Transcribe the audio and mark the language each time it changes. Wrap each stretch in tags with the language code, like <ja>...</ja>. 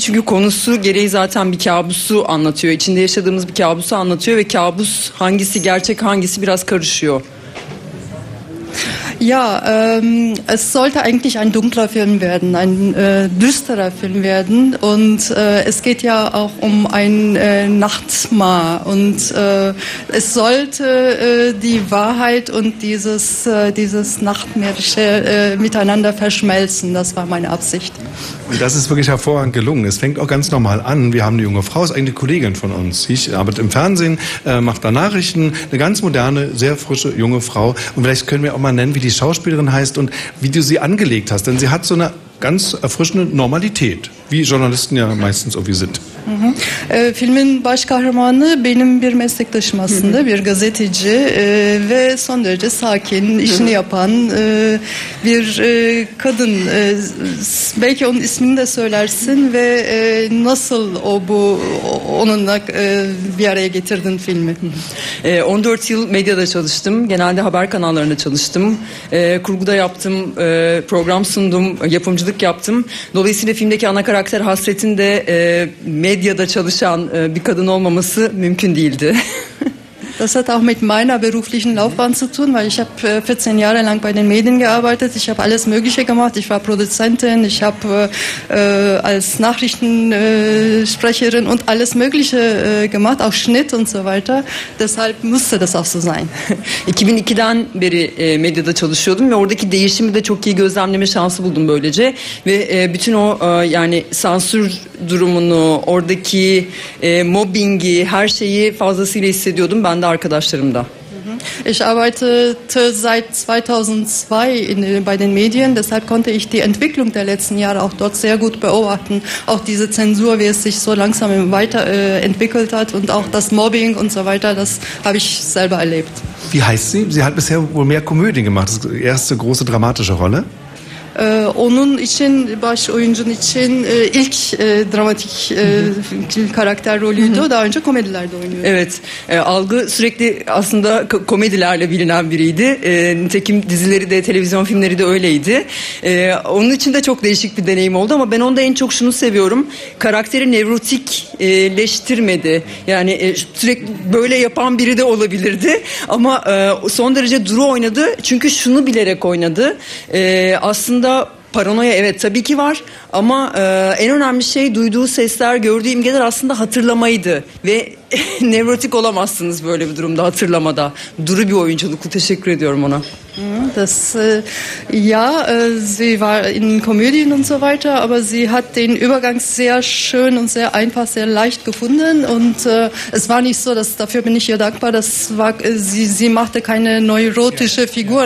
<tr>Çünkü konusu gereği zaten bir kabusu anlatıyor. İçinde yaşadığımız bir kabusu anlatıyor. Ve kabus hangisi gerçek, hangisi biraz karışıyor.</tr> <de>Ja, es sollte eigentlich ein dunkler Film werden, ein düsterer Film werden, und es geht ja auch um ein Nachtma, und es sollte die Wahrheit und dieses Nachtmärische miteinander verschmelzen, das war meine Absicht. Und das ist wirklich hervorragend gelungen. Es fängt auch ganz normal an. Wir haben eine junge Frau, ist eigentlich eine Kollegin von uns. Ich arbeite im Fernsehen, mache da Nachrichten. Eine ganz moderne, sehr frische, junge Frau. Und vielleicht können wir auch mal nennen, wie die Schauspielerin heißt und wie du sie angelegt hast. Denn sie hat so eine ganz erfrischende Normalität, wie Journalisten ja meistens irgendwie sind.</de> <tr>Filmin başkahramanı benim bir meslektaşım aslında, bir gazeteci ve son derece sakin, işini yapan bir kadın. Belki onun ismini de söylersin ve nasıl onunla bir araya getirdin filmi? 14 yıl medyada çalıştım. Genelde haber kanallarında çalıştım. Kurguda yaptım, program sundum, yapımcılık yaptım. Dolayısıyla filmdeki ana karakter Hasret'in de medyada çalışan bir kadın olmaması mümkün değildi.</tr> <de>Das hat auch mit meiner beruflichen Laufbahn zu tun, weil ich habe 14 Jahre lang bei den Medien gearbeitet. Ich habe alles Mögliche gemacht. Ich war Produzentin, ich habe als Nachrichtensprecherin und alles Mögliche gemacht, auch Schnitt und so weiter. Deshalb musste das auch so sein.</de> <tr>2002'den beri medyada çalışıyordum ve oradaki değişimi de çok iyi gözlemleme şansı buldum böylece. Ve bütün o yani sansür durumunu, oradaki mobbingi, her şeyi fazlasıyla hissediyordum ben de arkadaşlarımda.</tr> <de>Ich arbeitete seit 2002 bei den Medien, deshalb konnte ich die Entwicklung der letzten Jahre auch dort sehr gut beobachten. Auch diese Zensur, wie es sich so langsam weiterentwickelt hat, und auch das Mobbing und so weiter, das habe ich selber erlebt. Wie heißt sie? Sie hat bisher wohl mehr Komödien gemacht, das ist die erste große dramatische Rolle.</de> <tr>Onun için, baş oyuncun için ilk dramatik karakter rolüydü. Daha önce komedilerde oynuyordu. Evet, Algı sürekli aslında komedilerle bilinen biriydi. Nitekim dizileri de, televizyon filmleri de öyleydi. Onun için de çok değişik bir deneyim oldu ama ben onda en çok şunu seviyorum. Karakteri nevrotikleştirmedi. Yani sürekli böyle yapan biri de olabilirdi. Ama son derece duru oynadı. Çünkü şunu bilerek oynadı. Aslında paranoya evet tabii ki var ama en önemli şey duyduğu sesler, gördüğü imgeler aslında hatırlamaydı. Ve nevrotik olamazsınız böyle bir durumda, hatırlamada. Duru bir oyunculuklu, teşekkür ediyorum ona.</tr> <de>Sie war in Komödien und so weiter, aber sie hat den Übergang sehr schön und sehr einfach, sehr leicht gefunden. Und es war nicht so, dass, dafür bin ich ihr dankbar, dass sie machte keine neurotische Figur.</de>